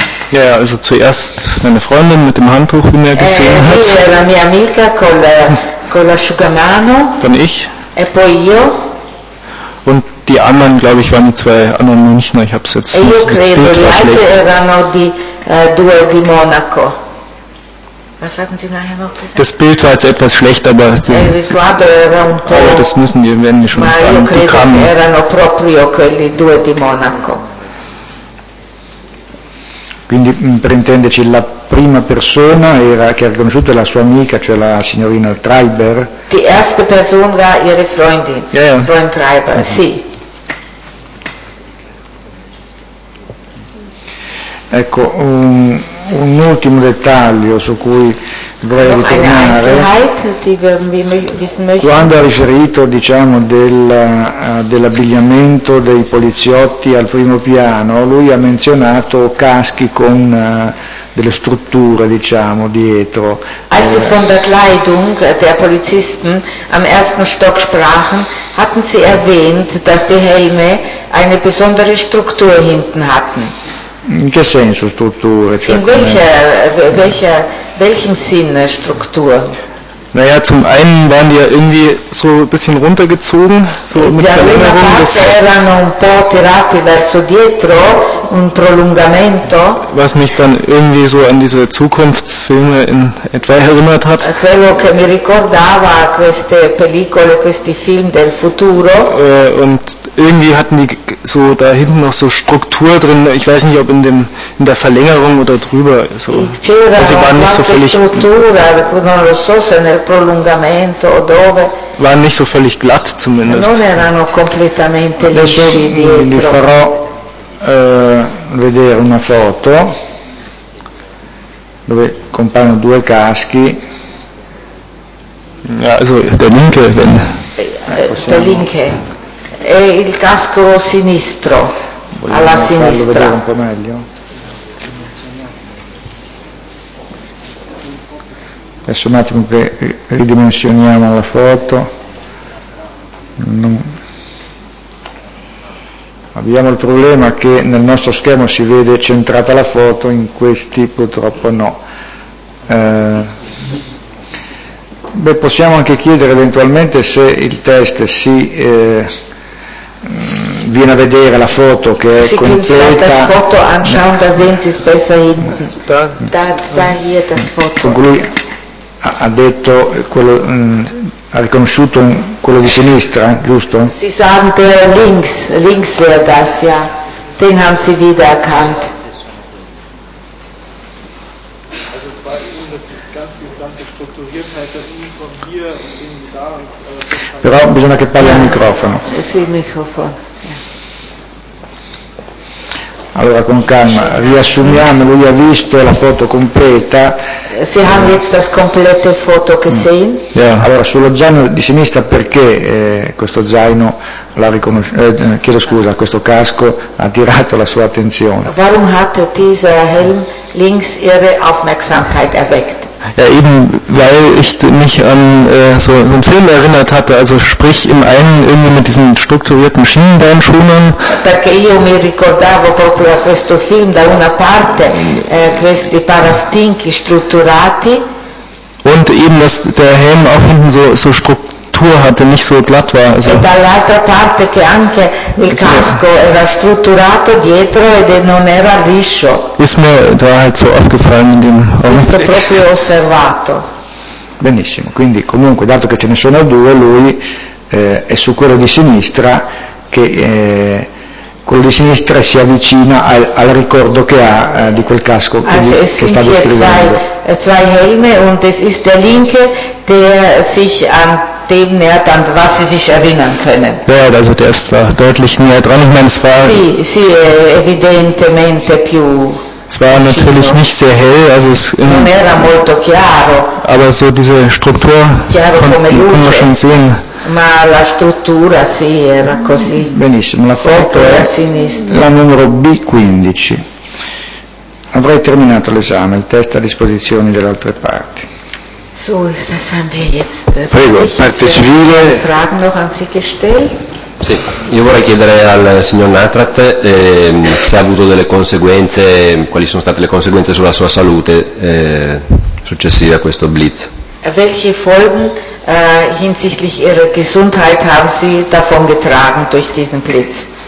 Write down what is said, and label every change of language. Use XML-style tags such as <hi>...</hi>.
<de>Ja, ja, also zuerst meine Freundin mit dem Handtuch, wie mir gesehen hat.</de> <it>La mia amica con l'asciugamano.</it> <de>Dann ich.</de> <it>E poi io.</it> <de>Und die anderen, glaube ich, waren die zwei anderen Münchner. Ich habe es jetzt nicht gesehen.</de> <it>Io credo, gli altri erano di due di Monaco.</it> <de>Was hatten Sie nachher noch gesagt? Das Bild war jetzt etwas schlecht, aber das müssen die, werden die schon sagen. Die kamen.</de> <it>Erano proprio quelli due di Monaco. Quindi per intenderci la prima persona era, che ha riconosciuto la sua amica, cioè la signorina Treiber.</it> <de>Die erste Person war ihre Freundin, ja, ja. Freund Treiber, mhm.</de> <it>Sì. Ecco, un ultimo dettaglio su cui vorrei ritornare. Quando ha riferito, diciamo, dell'abbigliamento dei poliziotti al primo piano, lui ha menzionato caschi con delle strutture, diciamo, dietro.</it> <de>Als sie von der Kleidung der Polizisten am ersten Stock sprachen, hatten sie erwähnt, dass die Helme eine besondere Struktur hinten hatten.</de> <it>In che senso strutture? Cioè,</it> <de>in welchem Sinne Struktur? Naja, zum einen waren die ja irgendwie so ein bisschen runtergezogen, so mit der Erinnerung, dass...</de> <it>Die erano un po' tirati verso dietro, un prolungamento.</it> <de>Was mich dann irgendwie so an diese Zukunftsfilme in etwa erinnert hat.</de> <it>Quello che mi ricordava queste pellicole, questi film del futuro.</it> <de>Und irgendwie hatten die so da hinten noch so Struktur drin, ich weiß nicht, ob in dem... in der Verlängerung oder drüber, so. Sie waren nicht so völlig,</de> <it>non lo so, se nel prolungamento o dove.</it> <de>Waren nicht so völlig glatt zumindest.</de> <it>Non erano completamente lisci dietro. Vi farò vedere una foto dove compaiono due caschi.</it> <de>Ja, also der linke, wenn. Der linke.</de> <it>E il casco sinistro. Alla sinistra. Vogliamo farlo vedere un po' meglio. Adesso un attimo che ridimensioniamo la foto. Abbiamo il problema che nel nostro schermo si vede centrata la foto, in questi purtroppo no. Beh, possiamo anche chiedere eventualmente se il test si viene a vedere la foto che è completa.</it> <de>Si foto anschauen, da sehen Sie es besser hin. Da hier das foto.</de> <it>Ha detto quello, ha riconosciuto quello di sinistra, giusto? Si sente</it> <de>links wäre das, ja. Den haben sie wiedererkannt.</de> <it>Però bisogna che parli al microfono. Sì, microfono. Allora, con calma, riassumiamo, lui ha visto la foto completa.</it> <de>Sie haben jetzt das komplette Foto gesehen? Ja.</de> <it>Allora, sullo zaino di sinistra perché questo zaino l'ha riconosciuto, chiedo scusa, questo casco ha attirato la sua attenzione?</it> <de>Warum hat dieser Helm links ihre Aufmerksamkeit erweckt? Ja, eben, weil ich mich an so einen Film erinnert hatte, also sprich im einen irgendwie mit diesen strukturierten Schienenbeinschonern.</de> <it>Perché io mi ricordavo proprio a questo film, da una parte, questi parastinchi strutturati.</it> <de>Und eben, dass der Helm auch hinten so Struktur hatte, nicht so glatt war. Also.</de> <it>E dall'altra parte che anche il casco era strutturato dietro ed non era liscio.</it> <de>Ist mir da halt so aufgefallen in dem Augenblick.</de> <it>Questo proprio osservato. Benissimo, quindi comunque, dato che ce ne sono due, lui è su quello di sinistra, che quello di sinistra si avvicina al ricordo che ha di quel casco che sta descrivendo.</it> <de>Zwei Helme und es ist der linke, der sich an dem nähert, an was sie sich erinnern können. Ja, also der ist da deutlich näher dran. Ich meine, es war.</de> <it>Sì, evidentemente più.</it> <de>Es war natürlich nicht sehr hell, also es.</de> <it>Non era molto chiaro.</it> <de>Aber so diese Struktur konnte man schon sehen.</de> <it>Ma la struttura sì, era così. Benissimo, la foto è a sinistra. La numero B15. Avrei terminato l'esame, il test a disposizione delle altre parti.</it> <de>So, das haben wir jetzt.</de> <it>Prego, parte civile.</it> <de>Fragen noch an Sie gestellt.</de> <it>Sì, io vorrei chiedere al signor Natrat se ha avuto delle conseguenze, quali sono state le conseguenze sulla sua salute successive a questo blitz.</it> <de>Welche Folgen hinsichtlich ihrer Gesundheit haben Sie davon getragen durch diesen Blitz?</de>